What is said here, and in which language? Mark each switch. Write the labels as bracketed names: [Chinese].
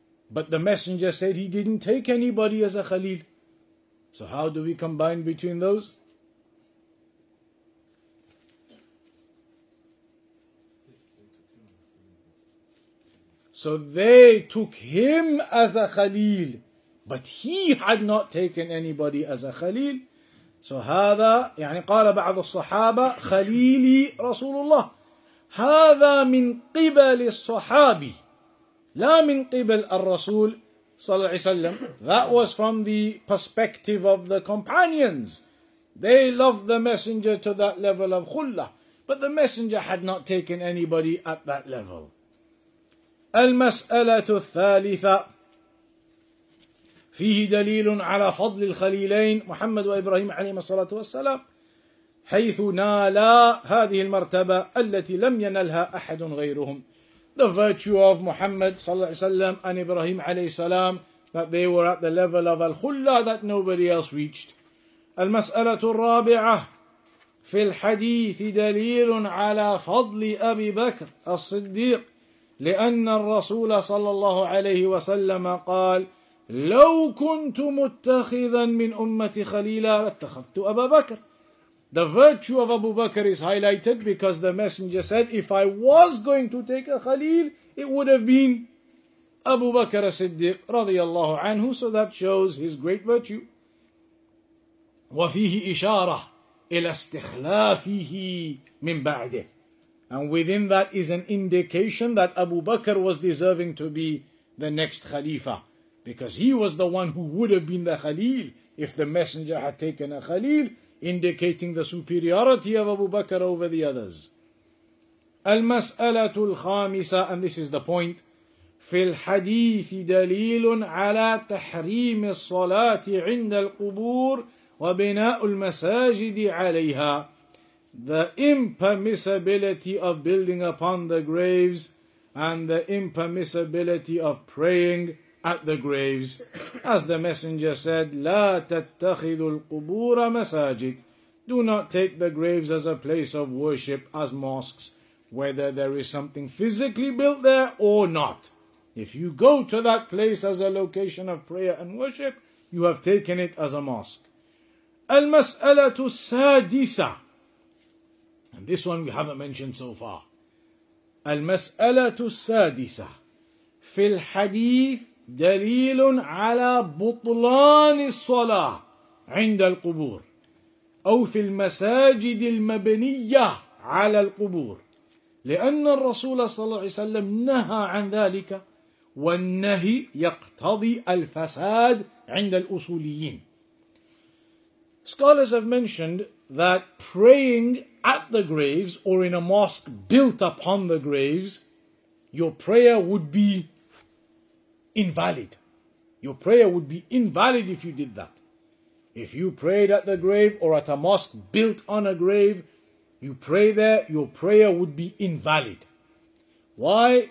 [English] But the Messenger said he didn't take anybody as a khalil. So how do we combine between those? So they took him as a khalil, but he had not taken anybody as a khalil. So [Arabic] هذا يعني قال بعض الصحابة خليلي رسول الله هذا من قبل الصحابي لا من قبل الرسول صلى الله عليه وسلم. [English] That was from the perspective of the companions. They loved the messenger to that level of khullah, but the messenger had not taken anybody at that level. [Arabic] المسألة الثالثة فيه دليل على فضل الخليلين محمد وإبراهيم عليهما الصلاة والسلام حيث نالا هذه المرتبة التي لم ينلها أحد غيرهم. [English] The virtue of Muhammad [Arabic] صلى الله عليه وسلم [English] and Ibrahim [Arabic] عليه السلام, [English] that they were at the level of al-khulla that nobody else reached. [Arabic] المسألة الرابعة في الحديث دليل على فضل أبي بكر الصديق لأن الرسول صلى الله عليه وسلم قال لو كنت متخذا من أمتي خليلا لاتخذت أبا بكر. [English] The virtue of Abu Bakr is highlighted because the messenger said, if I was going to take a khalil, it would have been Abu Bakr as-Siddiq [Arabic] رضي الله عنه. [English] So that shows his great virtue. [Arabic] وفيه إشارة إلى استخلافه من بعده. [English] And within that is an indication that Abu Bakr was deserving to be the next Khalifa. Because he was the one who would have been the Khalil if the messenger had taken a Khalil, indicating the superiority of Abu Bakr over the others. [Arabic] المسألة الخامسة, [English] and this is the point. [Arabic] في الحديث دليل على تحريم الصلاة عند القبور وبناء المساجد عليها. [English] The impermissibility of building upon the graves and the impermissibility of praying at the graves. As the messenger said, [Arabic] لا تتخذ القبور مساجد. [English] Do not take the graves as a place of worship, as mosques, whether there is something physically built there or not. If you go to that place as a location of prayer and worship, you have taken it as a mosque. [Arabic] المسألة السادسة. [English] And this one we haven't mentioned so far. [Arabic] المسألة السادسة في الحديث دليل على بطلان الصلاة عند القبور أو في المساجد المبنية على القبور لأن الرسول صلى الله عليه وسلم نهى عن ذلك والنهي يقتضي الفساد عند الأصوليين. [English] Scholars have mentioned that praying at the graves or in a mosque built upon the graves, your prayer would be invalid. Your prayer would be invalid if you did that. If you prayed at the grave or at a mosque built on a grave, you pray there, your prayer would be invalid. Why?